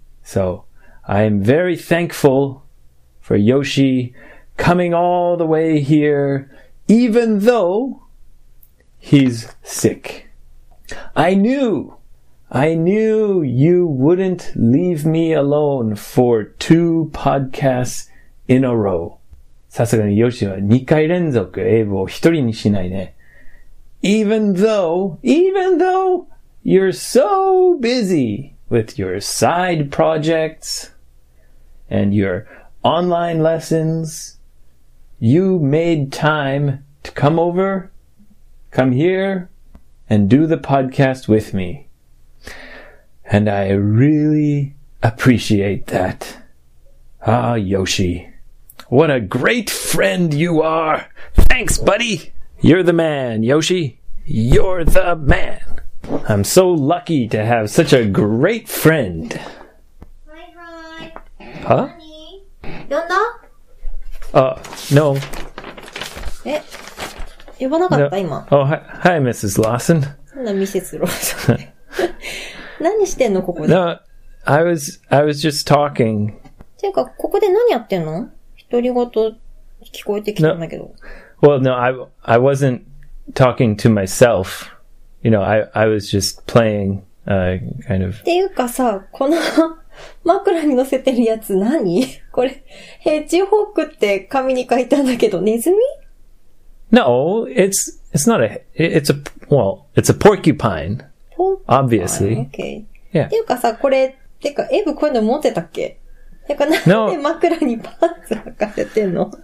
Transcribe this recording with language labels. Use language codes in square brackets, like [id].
[en] So, I am very thankful for Yoshi coming all the way here, even though he's sick. I knew you wouldn't leave me alone for two podcasts in a row. [ja] さすがにヨシは2回連続エイブを一人にしないね。 [en] Even though you're so busy with your side projects and your online lessons, you made time to come here and do the podcast with me. And I really appreciate that. Ah, Yoshi. What a great friend you are! Thanks, buddy! You're the man, Yoshi. You're the man. I'm so lucky to have such a great friend. Hi, hi. Huh? [ja] Yonda? [en] No. [ja] Yonda? [en] Oh, hi, Mrs. Lawson. [ja] Mrs. Lawson. 何してんのここで [en] No, I was just talking. [ja] ていうか、ここで何やってんの独り言聞こえてきたんだけど。 [en] No. Well, no, I wasn't talking to myself. You know, I was just playing, kind of. [ja] ていうかさ、この枕に乗せてるやつ何これ、ヘッジホークって紙に書いたんだけど、ネズミ [en] No, it's a porcupine. Obviously. Okay. [ja] Yeah. ていうかさ、これ、てか、エブこういうの持ってたっけ？てか、なんで枕にパンツ履かせてんの？